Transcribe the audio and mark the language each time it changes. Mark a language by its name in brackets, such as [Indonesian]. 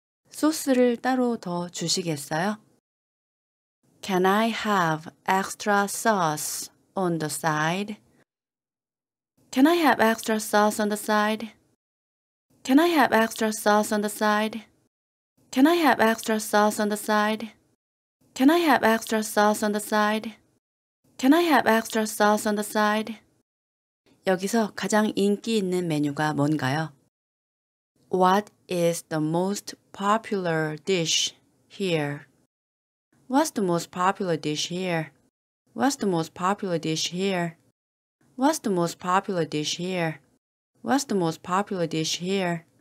[Korean] 소스를 따로 더 주시겠어요? [English] Can I have extra sauce on the side? Can I have extra sauce on the side? Can I have extra sauce on the side? Can I have extra sauce on the side? Can I have extra sauce on the side? Can I have extra sauce on the side? [Korean] 여기서 가장 인기 있는 메뉴가 뭔가요? [English] What is the most popular dish here? What's the most popular dish here? What's the most popular dish here? What's the most popular dish here? What's the most popular dish here?